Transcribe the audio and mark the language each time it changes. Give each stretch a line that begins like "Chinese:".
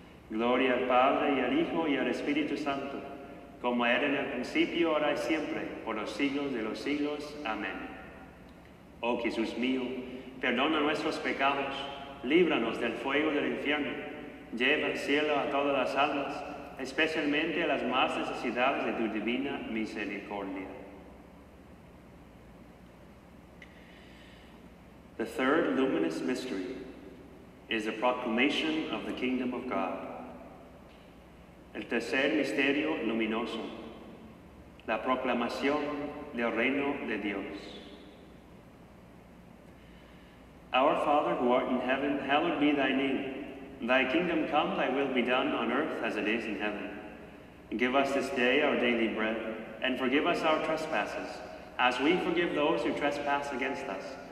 Spanish: Gloria al Padre, y al Hijo, y al Espíritu Santo, como era en el principio, ahora y siempre, por los siglos de los siglos. Amén. Oh Jesús mío, perdona nuestros pecados, líbranos del fuego del infierno, lleva al cielo a todas las almas, especialmente a las más necesitadas de tu divina misericordia.
English: The third luminous mystery is the proclamation of the kingdom of God.
Spanish: El tercer misterio luminoso, la proclamación del reino de Dios.
English: Our Father who art in heaven, hallowed be thy name. Thy kingdom come, thy will be done on earth as it is in heaven. Give us this day our daily bread, and forgive us our trespasses, as we forgive those who trespass against us.